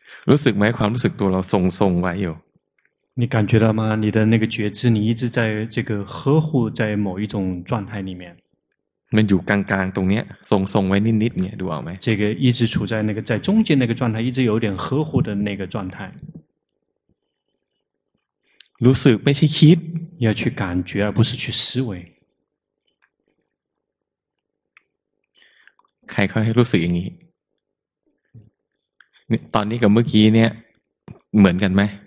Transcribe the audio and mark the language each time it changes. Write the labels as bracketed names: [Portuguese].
[Thai] รู้สึกไหมความรู้สึกตัวเราทรงๆไว้อยู่ [Chinese] 你感觉到吗？你的那个觉知，你一直在这个呵护在某一种状态里面。 [Thai] มันอยู่กลางๆตรงเนี้ยทรงทรงไว้นิดๆเนี่ยดูออกมั้ย [Chinese] 这个一直处在那个在中间那个状态一直有点呵护的那个状态 [Thai] รู้สึกไม่ใช่คิด [Chinese] 要去感觉而不是去思维 [Thai] ใครเขาให้รู้สึกอย่างนี้ตอนนี้กับเมื่อกี้เนี่ยเหมือนกันไหม